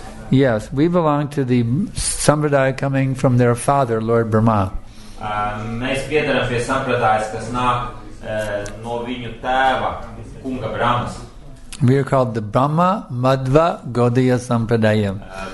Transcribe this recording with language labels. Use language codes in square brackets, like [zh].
[en] Yes, we belong to the Sampradaya coming from their father, Lord Brahma. [lv] Mēs piederam pie sampradājas, kas nāk no viņu tēva, Kunga Brahmas. [en] We are called the Brahma Madhva Gaudiya Sampradaya.